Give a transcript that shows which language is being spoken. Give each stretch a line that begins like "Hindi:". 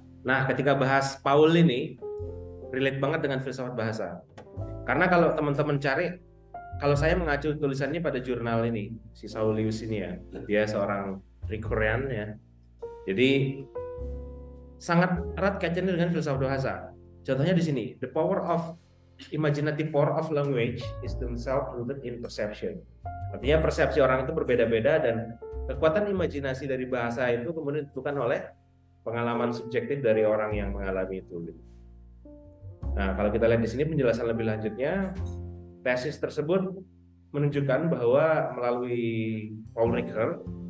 Indonesian: Nah, ketika bahas Paul ini relate banget dengan filsafat bahasa. Karena kalau teman-teman cari, kalau saya mengacu tulisannya pada jurnal ini, si Saulius ini ya, dia seorang Ricoh-an ya, jadi sangat erat kaitannya dengan filsafat bahasa.
English: Contohnya di sini, the power of imaginative power of language is themselves rooted in perception.
Indonesian: Artinya persepsi orang itu berbeda-beda dan kekuatan imajinasi dari bahasa itu kemudian ditentukan oleh pengalaman subjektif dari orang yang mengalami itu. Nah, kalau kita lihat di sini penjelasan lebih lanjutnya, tesis tersebut menunjukkan bahwa melalui Paul Ricoh